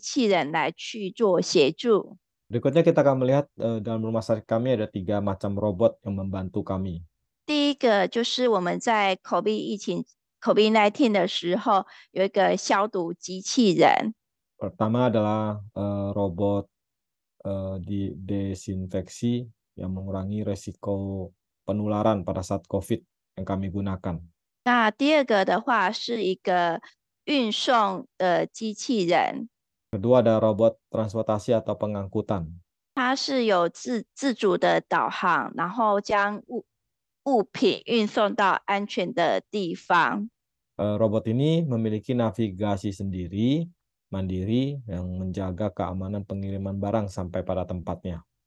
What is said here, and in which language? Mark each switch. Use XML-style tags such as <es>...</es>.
<zh>那接下来我们来看一下，我们医院有这三种的机器人来去做协助。</zh> <id>Berikutnya kita akan melihat dalam rumah sakit kami ada tiga macam robot yang membantu kami.</id> <zh>第一个就是我们在COVID-19的时候有一个消毒机器人。</zh> <id>Pertama adalah robot di desinfeksi yang mengurangi resiko penularan pada saat COVID yang kami gunakan.</id> <zh>那第二个的话是一个运送的机器人。</zh> <id>Kedua ada robot transportasi atau pengangkutan.</id> <zh>它是有自主的导航，然后将物品运送到安全的地方。</zh> <id>Robot ini memiliki navigasi sendiri, mandiri, yang menjaga keamanan pengiriman barang sampai pada tempatnya.</id>